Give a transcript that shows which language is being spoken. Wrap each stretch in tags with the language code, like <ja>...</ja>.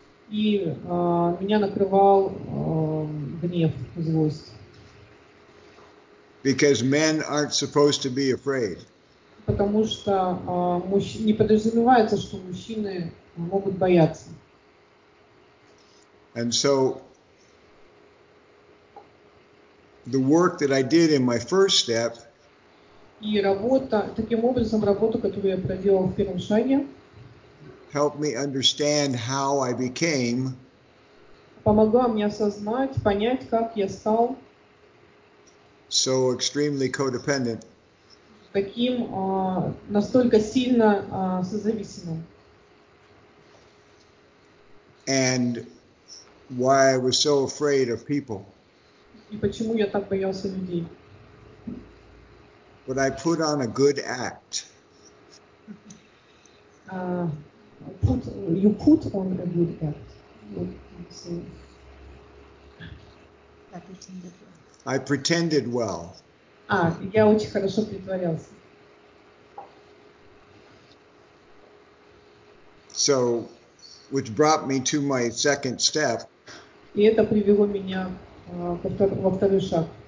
<ru>И меня накрывал гнев, злость.</ru> <en>Because men aren't supposed to be afraid.</en> <ru>Потому что не подразумевается, что мужчины могут бояться.</ru> <en>And so the work that I did in my first step.</en> <ru>И работа таким образом, работа, которую я проделал в первом шаге.</ru> <en>Help me understand how I became.</en> <ru>Помогла мне осознать, понять, как я стал.</ru> <en>So extremely codependent.</en> <ru>Таким настолько сильно созависимым.</ru> <en>And why I was so afraid of people.</en> <ru>И почему я так боялся людей.</ru> <en>But I put on a good act. You put on a good act. I pretended well.</en> <ru>Я очень хорошо притворялся.</ru> <en>So, which brought me to my second step.</en> <ru>И это привело меня во второй шаг.</ru>